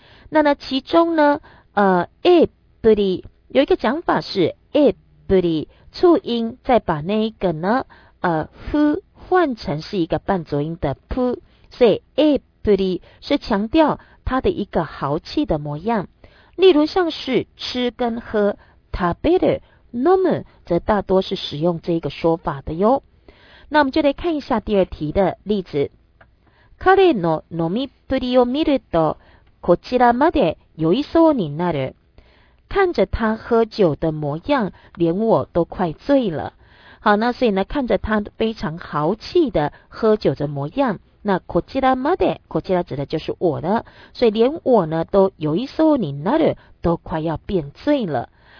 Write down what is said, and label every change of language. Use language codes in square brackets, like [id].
[zh] 那呢其中呢A ぶり有一个讲法是 A ぶり促音，再把那一个呢ふ换成是一个半浊音的ぷ，所以 A ぶり是强调它的一个豪气的模样。例如像是吃跟喝食べる飲む，则大多是使用这个说法的哟。那我们就来看一下第二题的例子。 [ja] 彼の飲みっぷりを見るとこちらまで酔いそうになる。 [zh] 看着他喝酒的模样，连我都快醉了。好，那所以呢，看着他非常豪气的喝酒的模样，那こちらまで，こちら指的就是我的，所以连我呢都 [ja] 酔いそうになる， [zh] 都快要变醉了。